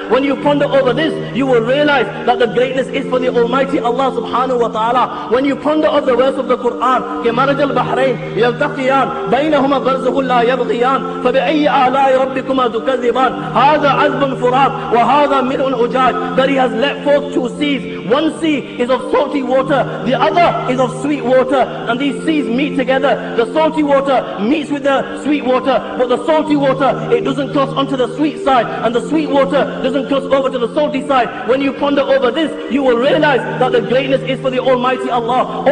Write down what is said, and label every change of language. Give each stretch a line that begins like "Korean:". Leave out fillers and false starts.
English: When you ponder over this, you will realize that the greatness is for the Almighty Allah subhanahu wa ta'ala. When you ponder over the verse of the Quran,
Arabic: كمرج البحرين يلتقيان بينهما برزخ لا يبغيان فبأي آلاء ربكما تكذبان هذا عذب فرات وهذا ملء أجاج,
English: that he has let forth two seas. One sea is of salty water, the other is of sweet water, and these seas meet together. The salty water meets with the sweet water, but the salty water, it doesn't cross onto the sweet side, and the sweet water doesn't cross over to the salty side. When you ponder over this, you will realize that the greatness is for the Almighty Allah.